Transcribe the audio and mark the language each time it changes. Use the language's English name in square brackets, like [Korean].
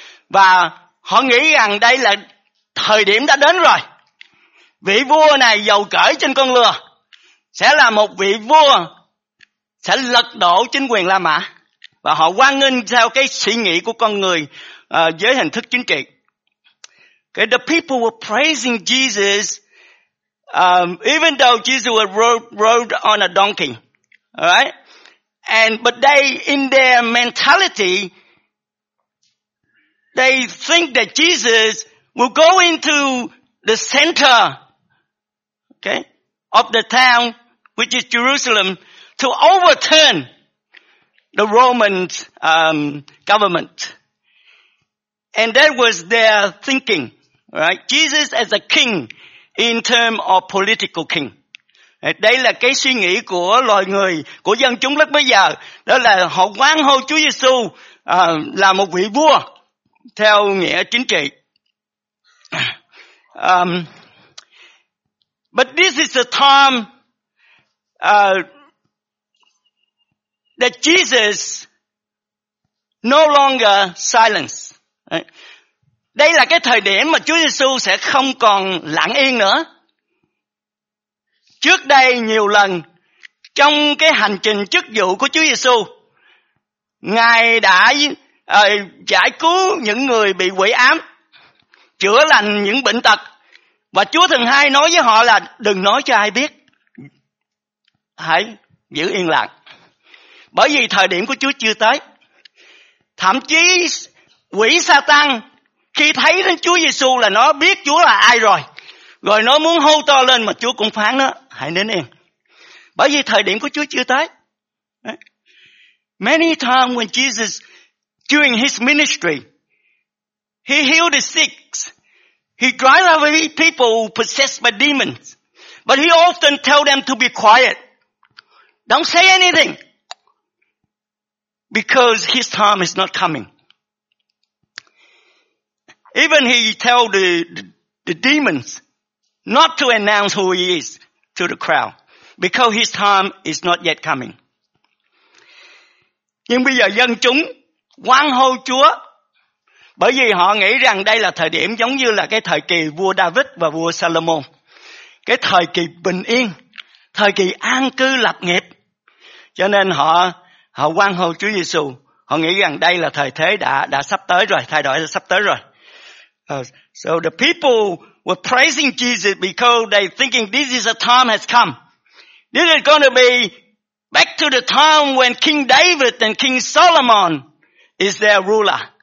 [Vietnamese] Và họ nghĩ rằng đây là thời điểm đã đến rồi. Vị vua này dầu cởi trên con lừa sẽ là một vị vua sẽ lật đổ chính quyền La Mã. Và họ hoan nghênh theo cái suy nghĩ của con người với hình thức chính trị. [English] Okay, the people were praising Jesus even though Jesus was rode on a donkey. Alright? But they, in their mentality, they think that Jesus will go into the center, okay, of the town, which is Jerusalem, to overturn the Roman government. And that was their thinking, right? Jesus as a king in terms of political king. [Vietnamese] Đây là cái suy nghĩ của loài người, của dân chúng lúc bấy giờ. Đó là họ hoan hô Chúa Giê-xu là một vị vua theo nghĩa chính trị. [English] But this is the time that Jesus no longer silence. [Vietnamese] Đây là cái thời điểm mà Chúa Giê-xu sẽ không còn lặng yên nữa. Trước đây nhiều lần trong cái hành trình chức vụ của Chúa Giê-xu, Ngài đã giải cứu những người bị quỷ ám, chữa lành những bệnh tật. Và Chúa thường hay nói với họ là đừng nói cho ai biết. Hãy giữ yên lặng. Bởi vì thời điểm của Chúa chưa tới. Thậm chí quỷ Sa-tan khi thấy đến Chúa Giê-xu là nó biết Chúa là ai rồi. Rồi nó muốn hô to lên mà Chúa cũng phán nó. Hãy nín yên. Bởi vì thời điểm của Chúa chưa tới. [English] Many times when Jesus, during his ministry, he healed the sick. He drive away people possessed by demons. But he often tell them to be quiet. Don't say anything. Because his time is not coming. Even he tell the demons not to announce who he is to the crowd. Because his time is not yet coming. [Vietnamese] Nhưng bây giờ dân chúng hoan hô Chúa. Bởi vì họ nghĩ rằng đây là thời điểm giống như là cái thời kỳ vua David và vua Solomon. Cái thời kỳ bình yên. Thời kỳ an cư lập nghiệp. Cho nên họ hoan hô Chúa Giê-xu. Họ nghĩ rằng đây là thời thế đã sắp tới rồi. Thay đổi đã sắp tới rồi. [English] So the people were praising Jesus because they thinking this is a time has come. This is going to be back to the time when King David and King Solomon is their ruler.